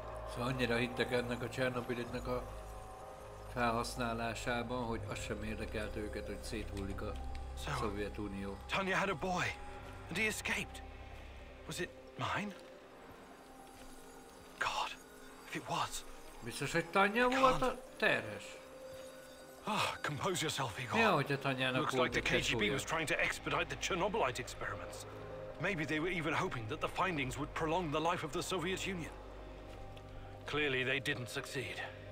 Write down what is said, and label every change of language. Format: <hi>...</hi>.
<hu>Szóval annyira hittek ennek a Csernobilitnek a felhasználásában, hogy az sem érdekelt őket, hogy széthullik a Szovjetunió.</hu> <en>Tanya had a boy, and he escaped. Was it mine? God, if it was.</en> <hu>Biztos, hogy Tanya volt a terhes.</hu> <en>Ah, compose yourself, Igor.</en> <hu>Ja, hogy a Tanyának volt egy tesója.</hu> <en>Looks like the KGB was trying to expedite the Chernobylite experiments. Maybe they were even hoping that the findings would prolong the life of the Soviet Union. Clearly they didn't succeed.</en>